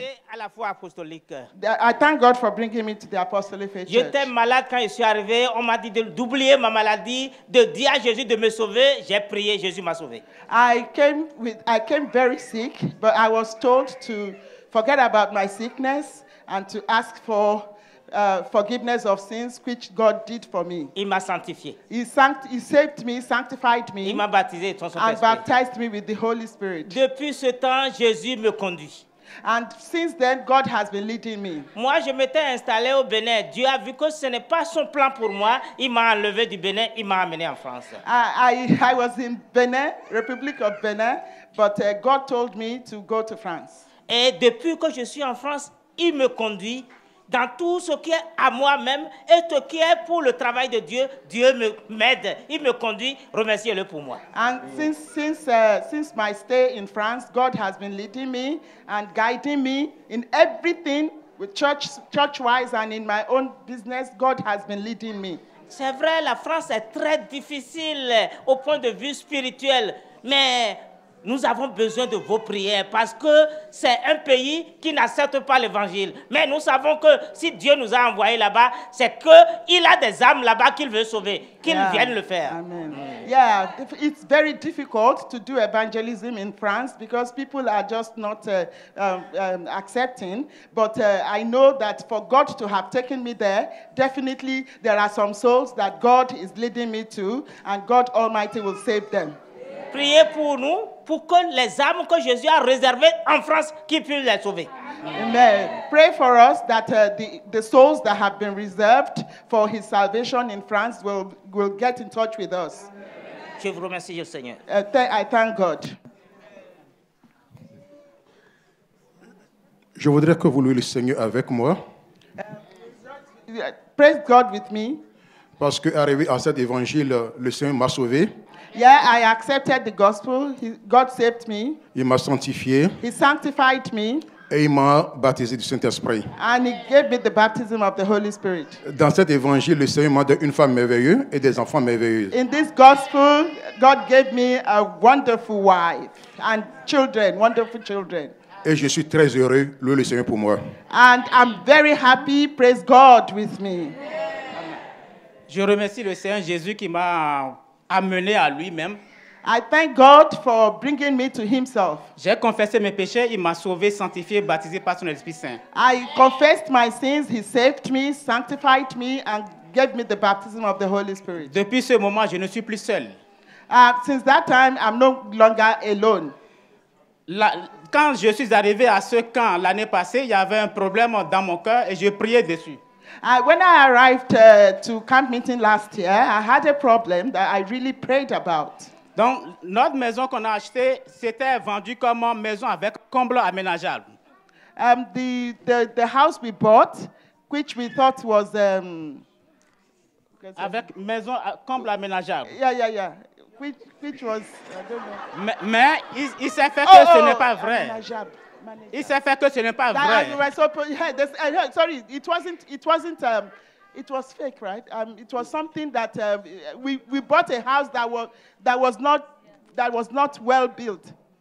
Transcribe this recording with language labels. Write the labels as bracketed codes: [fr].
[en] I thank God for bringing me to the Apostolic Faith. [fr] J'étais malade quand je suis arrivé. On m'a dit d'oublier ma maladie, de dire à Jésus de me sauver. J'ai prié, Jésus m'a sauvé. [en] I came very sick, but I was told to forget about my sickness and to ask for forgiveness of sins, which God did for me. [fr] Il m'a sanctifié. [en] He saved me, sanctified me. [fr] Il m'a baptisé, ton [en] Saint-Esprit. And baptized me with the Holy Spirit. [fr] Depuis ce temps, Jésus me conduit. [en] And since then, God has been leading me. [fr] Moi, je m'étais installé au Bénin. Dieu a vu que ce n'est pas son plan pour moi. Il m'a enlevé du Bénin. Il m'a amené en France. [en] I was in Benin, Republic of Benin, but God told me to go to France. [fr] Et depuis que je suis en France, il me conduit. dans tout ce qui est à moi-même et ce qui est pour le travail de Dieu, Dieu me m'aide, il me conduit, remerciez-le pour moi. [en] And since my stay in France, God has been leading me and guiding me in everything with church-wise and in my own business, God has been leading me. [fr] C'est vrai, la France est très difficile au point de vue spirituel, mais nous avons besoin de vos prières parce que c'est un pays qui n'accepte pas l'évangile. Mais nous savons que si Dieu nous a envoyés là-bas, c'est qu'il a des âmes là-bas qu'il veut sauver, qu'il vienne le faire. Amen. [en] Yeah, it's very difficult to do evangelism in France because people are just not accepting. But I know that for God to have taken me there, definitely there are some souls that God is leading me to and God Almighty will save them. [fr] Priez pour nous, pour que les âmes que Jésus a réservées en France, qu'il puisse les sauver. Amen. [en] Pray for us that the souls that have been reserved for his salvation in France will get in touch with us. [fr] Je vous remercie, Seigneur. [en] I thank God. [fr] Je voudrais que vous louiez le Seigneur avec moi. [en] Praise God with me. [fr] Parce que arrivé à cet évangile, le Seigneur m'a sauvé. [en] Yeah, I accepted the gospel. God saved me. [fr] Il m'a sanctifié. [en] He sanctified me. [fr] Et il m'a baptisé du Saint-Esprit. [en] And he gave me the baptism of the Holy Spirit. [fr] Dans cet évangile, le Seigneur m'a donné une femme merveilleuse et des enfants merveilleux. [en] In this gospel, God gave me a wonderful wife and children, wonderful children. [fr] Et je suis très heureux, louer le Seigneur pour moi. [en] And I'm very happy, praise God with me. [fr] Je remercie le Seigneur Jésus qui m'a amené à lui-même. [en] I thank God for bringing me to himself. [fr] J'ai confessé mes péchés, il m'a sauvé, sanctifié, baptisé par son Esprit Saint. [en] I confessed my sins, he saved me, sanctified me and gave me the baptism of the Holy Spirit. [fr] Depuis ce moment, je ne suis plus seul. [en] Since that time, I'm no longer alone. [fr] Quand je suis arrivé à ce camp l'année passée, il y avait un problème dans mon cœur et je priais dessus. [en] When I arrived to camp meeting last year, I had a problem that I really prayed about. [fr] Donc, notre maison qu'on a acheté, c'était vendu comme une maison avec comble aménageable. [en] The house we bought, which we thought was [fr] avec maison comble aménageable. [en] Yeah. Which was, I don't know. [fr] Mais il s'est fait que ce n'est pas vrai. Aménageable. Il s'est fait que ce n'est pas vrai. [en] It was fake, right? It was something that we bought a house that was not well built.